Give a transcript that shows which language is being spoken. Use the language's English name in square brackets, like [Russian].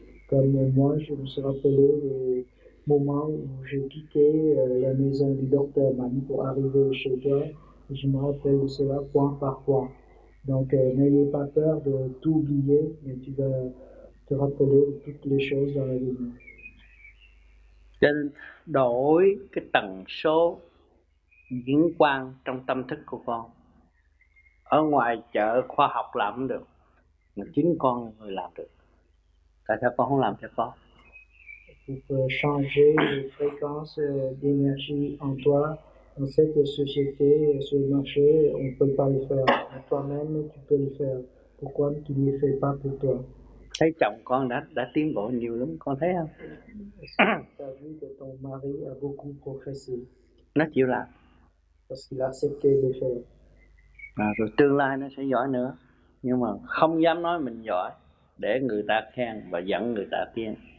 [French] Comme moi, je me suis rappelé des moments où j'ai quitté la maison du docteur Mann pour arriver chez toi. Je me rappelle de cela point par point. Donc, n'ayez pas peur de tout oublier, mais tu vas te rappeler toutes les choses dans la vie. [Vietnamese] Nên đổi cái tần số diễn quang trong tâm thức của con. Ở ngoài chợ khoa học làm được, mà chính con người làm được. Tại sao con không làm cho con? [French] Vous pouvez changer les fréquences d'énergie en toi. Dans cette société, sur le marché, on ne peut pas le faire. Toi-même, tu peux le faire. Pourquoi tu ne le fais pas pour toi? [Vietnamese] Thấy chồng con đã tiến bộ nhiều lắm, con thấy không? [French] Tu as vu que ton mari a beaucoup progressé. [Vietnamese] Nó chịu làm. [French] Parce qu'il a accepté de le faire. [Vietnamese] À, rồi tương lai nó sẽ giỏi nữa. Nhưng mà không dám nói mình giỏi. Để người ta khen và dẫn người ta tiến.